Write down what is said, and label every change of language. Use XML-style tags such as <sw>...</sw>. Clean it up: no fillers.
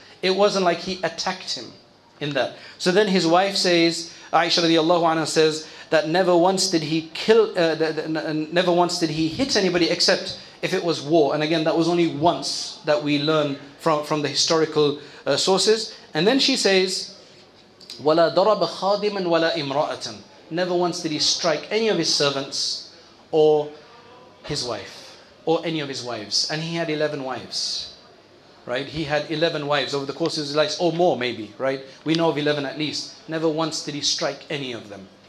<en>It wasn't like he attacked him in that. So then his wife says, Aisha radiallahu anha says, that never once did he kill, never once did he hit anybody except if it was war. And again, that was only once that we learn from the historical sources. And then she says,</en> <ar>وَلَا ضَرَبَ خَادِمًا وَلَا إِمْرَأَةً.</ar> <en>Never once did he strike any of his servants or his wife, or any of his wives. And he had 11 wives, right? He had 11 wives over the course of his life, or more maybe, right? We know of 11 at least. Never once did he strike any of them.</en>